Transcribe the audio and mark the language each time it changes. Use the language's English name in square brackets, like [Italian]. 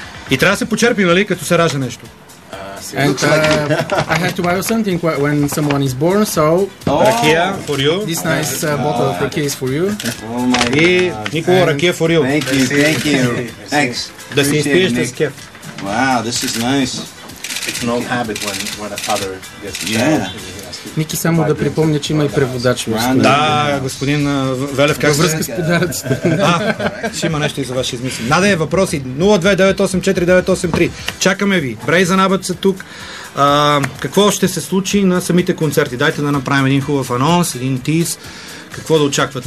[Bulgarian] И трябва да се почерпи, нали, като се ражда нещо. [English] And I have to buy something when someone is born, so rakia for you. This nice bottle of rakia is for you. Oh my god. Nicolo, rakia for you. Thank you. Thanks. [Bulgarian] Да си изпиеш тази кеф. [English] Wow, this is nice. It's an old habit when a father gets to yeah. [Bulgarian] Ники, само да припомня, че има и преводач. Да, господин Велев, как връзка с подаръците? Ще има нещо и за ваши измисли. Наде, въпроси 0-2-9-8-4-9-8-3. Чакаме ви. Брей за Набът са тук. Какво ще се случи на самите концерти? Дайте да направим един хубав анонс, един тиз. Какво да очакват?